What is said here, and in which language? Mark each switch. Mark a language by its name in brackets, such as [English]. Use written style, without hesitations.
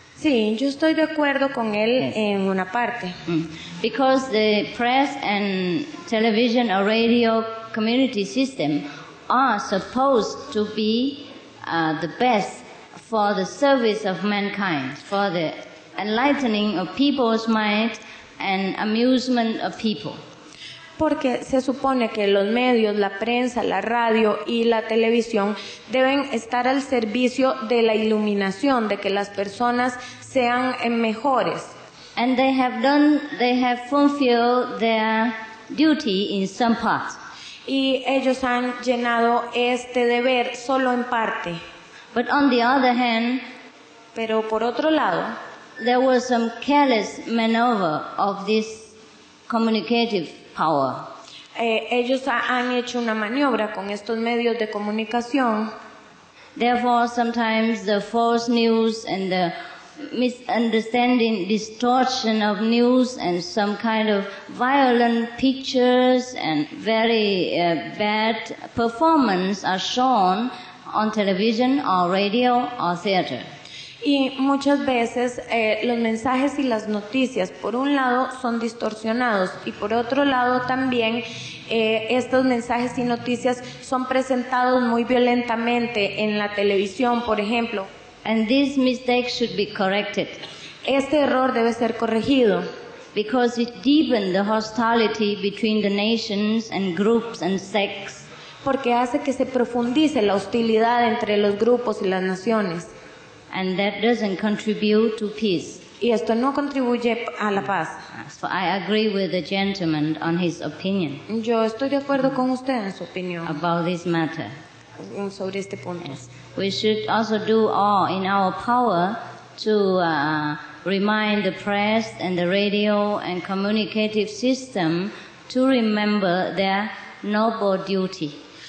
[Spanish] Sí, yo estoy de acuerdo con él en una parte. [English] Because the press and television or radio community system are supposed to be the best for the service of mankind, for the enlightening of people's mind and amusement of people. [Spanish] Porque se supone que los medios, la prensa, la radio y la televisión deben estar al servicio de la iluminación, de que las personas sean mejores. [English] And they have fulfilled their duty in some part. [Spanish] Y ellos han llenado este deber solo en parte. [English] But on the other hand, [Spanish] pero por otro lado, [English] there was some careless maneuver of this communicative power. [Spanish] Ellos han hecho una maniobra con estos medios de comunicación. [English] Therefore, sometimes the false news and the misunderstanding, distortion of news and some kind of violent pictures and very bad performance are shown on television or radio or theater. [Spanish] Y muchas veces los mensajes y las noticias, por un lado, son distorsionados y por otro lado también estos mensajes y noticias son presentados muy violentamente en la televisión, por ejemplo. [English] And this mistake should be corrected. [Spanish] Este error debe ser corregido. [English] Because it deepens the hostility between the nations and groups and sects. [Spanish] Porque hace que se profundice la hostilidad entre los grupos y las naciones. [English] And that doesn't contribute to peace. [Spanish] Y esto no contribuye a la paz. [English] So I agree with the gentleman on his opinion. [Spanish] Yo estoy de acuerdo con usted en su opinión. [English] About this matter. [Spanish] Sobre este punto. [English] Yes. We should also do all in our power to remind the press and the radio and communicative system to remember their noble duty.